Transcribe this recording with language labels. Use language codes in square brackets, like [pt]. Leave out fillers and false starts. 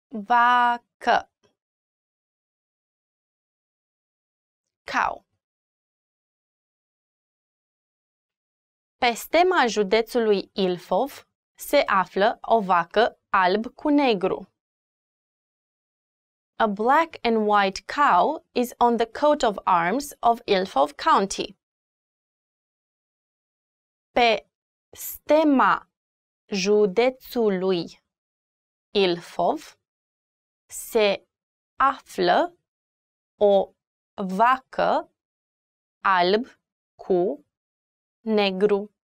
[ro] Vacă. [en] Cow. [ro] Pe stema județului Ilfov se află o vacă alb cu negru. [en] A black and white cow is on the coat of arms of Ilfov County. [ro] Pe stema județului Ilfov se află o vacă alb cu negru.